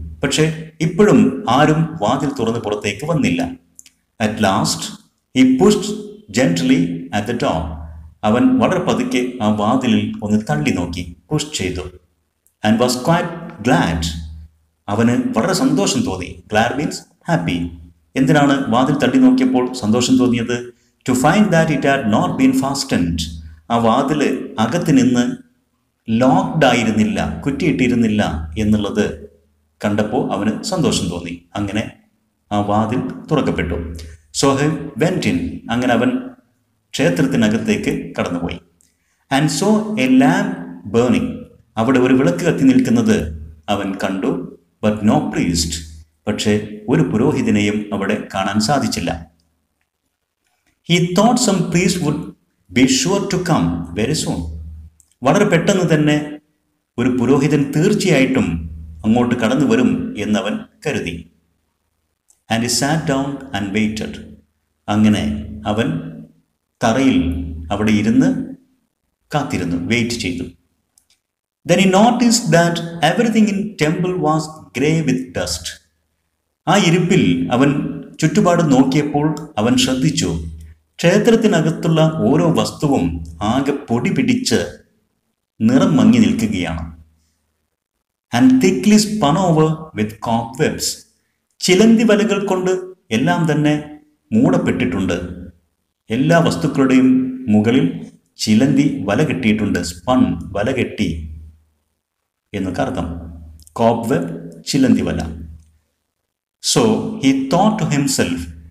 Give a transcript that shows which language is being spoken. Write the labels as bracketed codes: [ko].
[ml] പക്ഷേ ഇപ്പോഴും ആരും വാതിൽ തുറന്ന് പുറത്തേക്ക് വന്നില്ല. [en] At last, he pushed gently at the door. [ml] അവൻ വളരെ പതുക്കെ ആ വാതിലിൽ ഒന്ന് തള്ളി നോക്കി, പുഷ് ചെയ്തു. [en] And was quite glad. [ml] അവന് വളരെ സന്തോഷം തോന്നി. [en] Glad means happy. [ml] എന്തിനാണ് വാതിൽ തട്ടി നോക്കിയപ്പോൾ സന്തോഷം തോന്നിയത്? [en] To find that it had not been fastened. [ml] ആ വാതിൽ അകത്ത് നിന്ന് ലോക്ക്ഡ് ആയിരുന്നില്ല, കുറ്റിയിട്ടിരുന്നില്ല എന്നുള്ളത് കണ്ടപ്പോൾ അവന് സന്തോഷം തോന്നി. അങ്ങനെ ആ വാതിൽ തുറക്കപ്പെട്ടു. [en] So he went in. [ml] അങ്ങനെ അവൻ ക്ഷേത്രത്തിനകത്തേക്ക് കടന്നുപോയി. [en] And so a lamp burning. [ml] അവിടെ ഒരു വിളക്ക് കത്തി നിൽക്കുന്നത് അവൻ കണ്ടു. [en] But no priest. [ml] പക്ഷേ ഒരു പുരോഹിതനെയും അവിടെ കാണാൻ സാധിച്ചില്ല. [en] He thought some priest would be sure to come very soon. [ml] വളരെ പെട്ടെന്ന് തന്നെ ഒരു പുരോഹിതൻ തീർച്ചയായിട്ടും അങ്ങോട്ട് കടന്നു വരും എന്നവൻ കരുതി. [en] And he sat down and waited. [ml] അങ്ങനെ അവൻ തറയിൽ അവിടെ ഇരുന്ന് കാത്തിരുന്നു, വെയിറ്റ് ചെയ്തു. [en] Then he noticed that everything in temple was grey with dust. [ml] ആ ഇരിപ്പിൽ അവൻ ചുറ്റുപാട് നോക്കിയപ്പോൾ അവൻ ശ്രദ്ധിച്ചു, ക്ഷേത്രത്തിനകത്തുള്ള ഓരോ വസ്തുവും ആകെ പൊടി പിടിച്ച് നിറം മങ്ങി നിൽക്കുകയാണ്. [en] And thickly spun over with cobwebs. [ml] ചിലന്തി വലകൾ കൊണ്ട് എല്ലാം തന്നെ മൂടപ്പെട്ടിട്ടുണ്ട്. എല്ലാ വസ്തുക്കളുടെയും മുകളിൽ ചിലന്തി വല കെട്ടിയിട്ടുണ്ട്. സ്പൺ, വല കെട്ടി എന്നൊക്കെ അർത്ഥം. [en] cobweb, [ml] ചിലന്തി വല. [en] So he thought to himself.